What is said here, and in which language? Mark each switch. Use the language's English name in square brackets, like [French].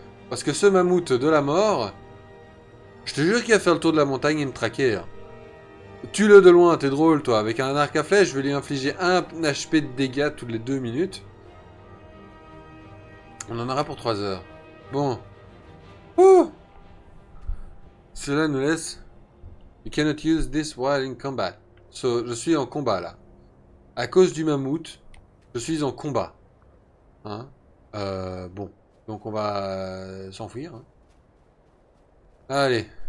[French] Parce que ce mammouth de la mort, je te jure qu'il va faire le tour de la montagne et me traquer. Hein. Tue-le de loin, t'es drôle toi. Avec un arc à flèche, je vais lui infliger un HP de dégâts toutes les 2 minutes. On en aura pour 3 heures. Bon. Cela nous laisse. [English] You cannot use this while in combat. [French] So, je suis en combat là. À cause du mammouth, je suis en combat. Hein? Bon. Donc, on va s'enfuir. Hein? Allez.